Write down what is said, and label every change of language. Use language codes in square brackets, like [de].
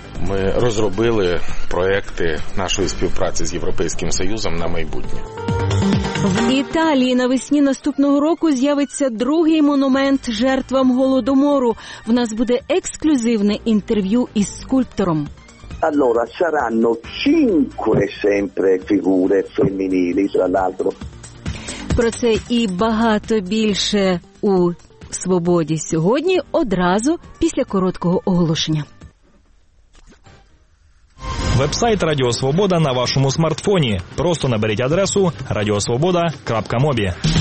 [uk] Ми розробили проекти нашої співпраці з Європейським Союзом на майбутнє. В Італії навесні наступного року з'явиться другий монумент жертвам Голодомору. В нас буде ексклюзивне інтерв'ю із скульптором. [it] Allora, saranno 5 sempre figure femminili, tra l'altro. [uk] Про це і багато більше у «Свободі сьогодні» одразу після короткого оголошення. Вебсайт «Радіо Свобода» на вашому смартфоні. Просто наберіть адресу radiosvoboda.mobi.